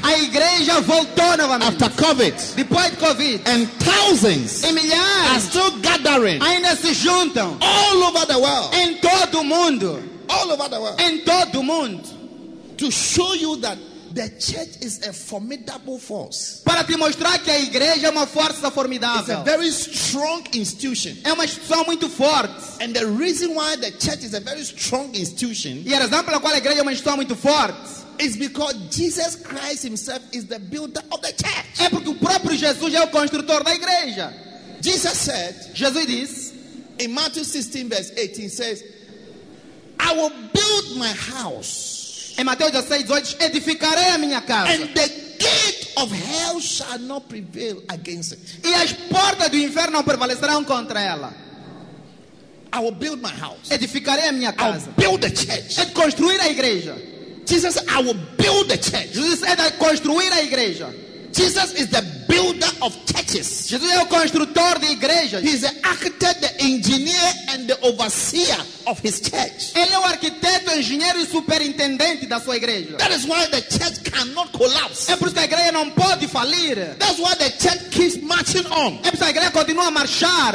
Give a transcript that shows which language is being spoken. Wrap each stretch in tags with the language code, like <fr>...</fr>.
<pt>A igreja voltou novamente.</pt> <en>After COVID.</en> <pt>Depois de COVID.</pt> <en>And thousands.</en> <pt>E milhares.</pt> <en>Are still gathering.</en> <pt>Ainda se juntam.</pt> <en>All over the world.</en> <pt>Em todo o mundo.</pt> <en>All over the world.</en> <pt>Em todo o mundo.</pt> <en>To show you that the church is a formidable force.</en> <pt>Para te mostrar que a igreja é uma força formidável.</pt> <en>It's a very strong institution.</en> <pt>É uma instituição muito forte.</pt> <en>And the reason why the church is a very strong institution.</en> <pt>E a razão pela qual a igreja é uma instituição muito forte.</pt> <en>Is because Jesus Christ himself is the builder of the church.</en> <pt>É porque o próprio Jesus é o construtor da igreja.</pt> <en>Jesus said.</en> <pt>Jesus diz.</pt> <en>In Matthew 16 verse 18 says, I will build my house.</en> <pt>Em Mateus 16, 18, edificarei a minha casa.</pt> <en>And the gate of hell shall not prevail against it.</en> <pt>E as portas do inferno não prevalecerão contra ela.</pt> <en>I will build my house.</en> <pt>Edificarei a minha casa.</pt> <en>I'll build the church.</en> <pt>É construir a igreja.</pt> <en>Jesus, I will build the church.</en> <pt>Jesus é de construir a igreja.</pt> <en>Jesus is the builder of churches.</en> <pt>Jesus é o construtor de igrejas.</pt> <en>He is the architect, the engineer, and the overseer of his church.</en> <pt>Ele é o arquiteto, engenheiro e superintendente da sua igreja.</pt> <en>That is why the church cannot collapse.</en> <pt>É por isso que a igreja não pode falir.</pt> <en>That's why the church keeps marching on.</en> <pt>É por isso que a igreja continua a marchar.</pt>